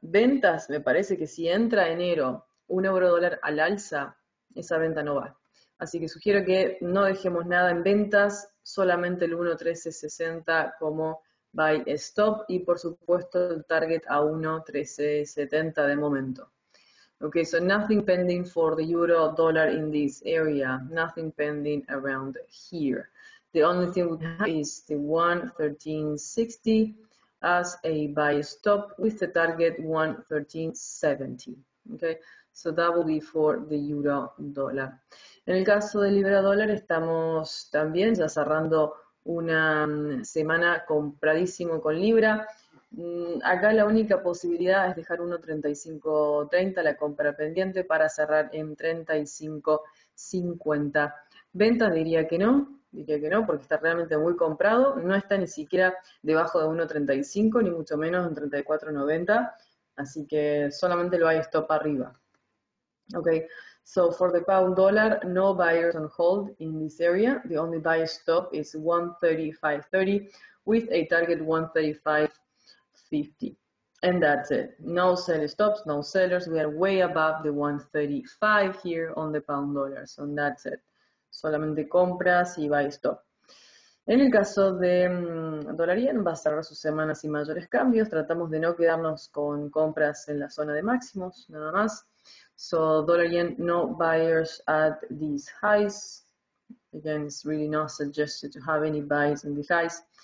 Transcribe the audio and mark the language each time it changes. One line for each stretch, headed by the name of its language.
Spanish: Ventas, me parece que si entra enero un Eurodólar al alza, esa venta no va. Así que sugiero que no dejemos nada en ventas, solamente el 1.1360 como buy stop y por supuesto el target a 1.1370 de momento.
English: Okay, so nothing pending for the euro dollar in this area, nothing pending around here. The only thing we have is the 1.1360 as a buy stop with the target 1.1370. Okay, so that will be for the euro dollar.
Spanish: En el caso del libra dólar estamos también ya cerrando una semana compradísimo con libra. Acá la única posibilidad es dejar 1.3530, la compra pendiente, para cerrar en 35.50. Ventas diría que no, porque está realmente muy comprado. No está ni siquiera debajo de 1.35, ni mucho menos en 34.90. Así que solamente lo hay stop arriba.
English: Ok, so for the pound dollar, no buyers on hold in this area. The only buy stop is 1.3530 with a target 1.3550. 50. And that's it. No sell stops, no sellers. We are way above the 1.35 here on the pound dollar. So that's it.
Spanish: Solamente compras y buy stop. En el caso de dólar yen, va a cerrar su semana sin mayores cambios. Tratamos de no quedarnos con compras en la zona de máximos, nada más.
English: So dólar yen, no buyers at these highs. Again, it's really not suggested to have any buys in these highs.